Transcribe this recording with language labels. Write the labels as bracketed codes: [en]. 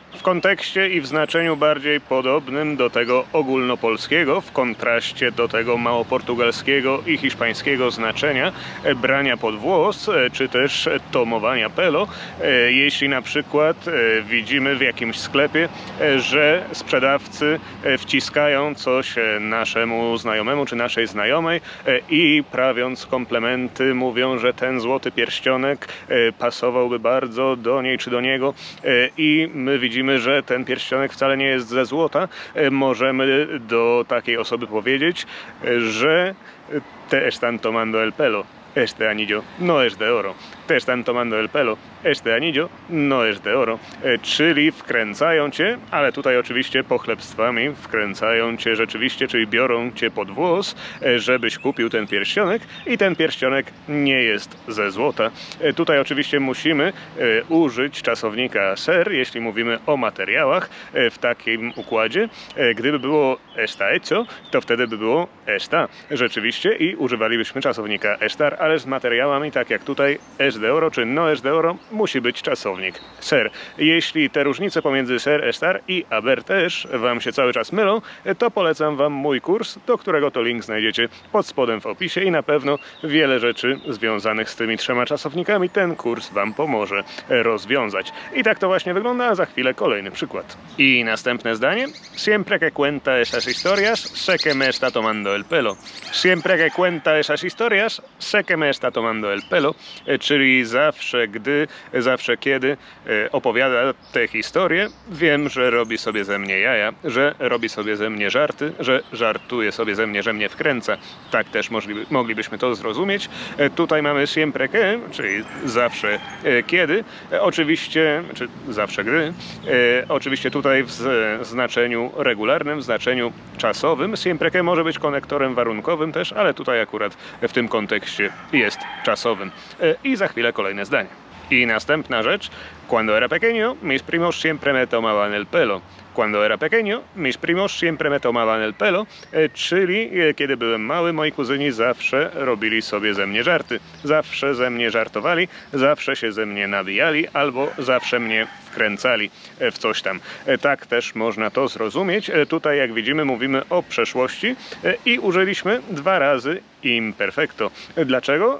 [pl] W kontekście i w znaczeniu bardziej podobnym do tego ogólnopolskiego, w kontraście do tego małoportugalskiego i hiszpańskiego znaczenia brania pod włos, czy też tomowania pelo, jeśli na przykład widzimy w jakimś sklepie, że sprzedawcy wciskają coś naszemu znajomemu czy naszej znajomej i prawiąc komplementy mówią, że ten złoty pierścionek pasowałby bardzo do niej czy do niego i my widzimy, że ten pierścionek wcale nie jest ze złota, możemy do takiej osoby powiedzieć, że [es] te están tomando el pelo, este anillo no es de oro. Te están tomando el pelo, este anillo no es de oro. [pl] Czyli wkręcają cię, ale tutaj oczywiście pochlebstwami, wkręcają cię rzeczywiście, czyli biorą cię pod włos, żebyś kupił ten pierścionek i ten pierścionek nie jest ze złota. Tutaj oczywiście musimy użyć czasownika ser, jeśli mówimy o materiałach w takim układzie. Gdyby było [es] está hecho, [pl] to wtedy by było está. Rzeczywiście i używalibyśmy czasownika estar, ale z materiałami, tak jak tutaj, [es] es de oro [pl] czy [es] no es de oro, [pl] musi być czasownik ser. Jeśli te różnice pomiędzy ser, estar i haber też wam się cały czas mylą, to polecam wam mój kurs, do którego to link znajdziecie pod spodem w opisie i na pewno wiele rzeczy związanych z tymi trzema czasownikami ten kurs wam pomoże rozwiązać. I tak to właśnie wygląda, a za chwilę kolejny przykład. I następne zdanie. [es] Siempre que cuenta esas historias, sé que me está tomando el pelo. Siempre que cuenta esas historias, sé que me está tomando el pelo. [pl] Czyli zawsze kiedy opowiada tę historię, wiem, że robi sobie ze mnie jaja, że robi sobie ze mnie żarty, że żartuje sobie ze mnie, że mnie wkręca. Tak też moglibyśmy to zrozumieć. Tutaj mamy siempre que, czyli zawsze kiedy. Oczywiście, czy zawsze gdy. Oczywiście tutaj w znaczeniu regularnym, w znaczeniu czasowym. Siempre que może być konektorem warunkowym też, ale tutaj akurat w tym kontekście jest czasowym. I za chwilę kolejne zdanie. I następna rzecz. [es] Cuando era pequeño, mis primos siempre me tomaban el pelo. Cuando era pequeño, mis primos siempre me tomaban el pelo. [pl] Czyli kiedy byłem mały, moi kuzyni zawsze robili sobie ze mnie żarty. Zawsze ze mnie żartowali, zawsze się ze mnie nabijali, albo zawsze mnie wkręcali w coś tam. Tak też można to zrozumieć. Tutaj, jak widzimy, mówimy o przeszłości i użyliśmy dwa razy imperfecto. Dlaczego?